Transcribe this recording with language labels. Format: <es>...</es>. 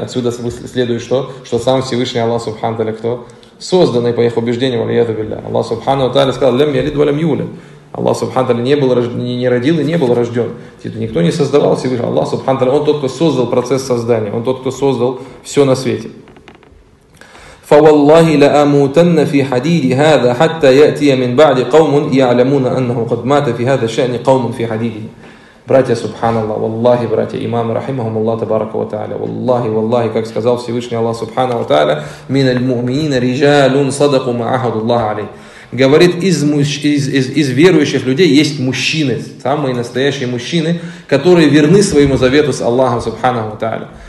<ru>Отсюда следует что? Что сам Всевышний Аллах, субхану ва тааля, кто? Созданный по их убеждению, валиязу билля. Аллах, субхану ва тааля, сказал,</ru> <ar>«Лям ялид ва лям юлид».</ar> <ru>Аллах, субхану ва тааля, не родил и не был рожден. Никто не создавал Всевышнего. Аллах, субхану ва тааля, он тот, кто создал процесс создания. Он тот, кто создал все на свете.</ru> <ar>فوالله لأموتن في حديد هذا حتى يأتي من بعد قوم يعلمون أنه قد مات في هذا الشأن قوم في حديده.</ar> <ru>Братья, субханаллах, валлахи, братья, имамы, рахимахум Аллах, табарака ва тааля, валлахи, валлахи, как сказал Всевышний Аллах, субханаху ва тааля,</ru> <ar>мин аль-муъминин рижалун садаку ма ахаду Аллах алейхи.</ar> <ru>Говорит, из верующих людей есть мужчины, самые настоящие мужчины, которые верны своему завету с Аллахом, субханаху ва тааля.</ru>